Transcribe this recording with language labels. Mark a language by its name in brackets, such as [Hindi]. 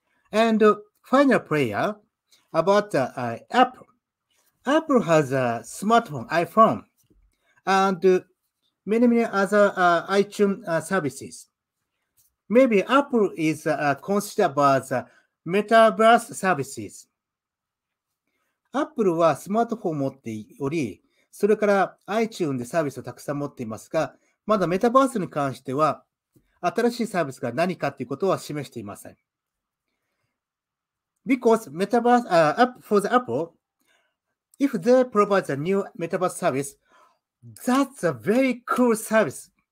[English] And final player about the Apple. Apple has a smartphone, iPhone, and many other iTunes services. Maybe Apple is considered about the Metaverse services. [Japanese] Apple はスマートフォンを持っており、それから iTunes でサービスをたくさん持っていますが、まだメタバースに関しては新しいサービスが何かということは示していません。 [English] Because Metaverse, for the Apple, if they provide a new Metaverse service, that's a very cool service.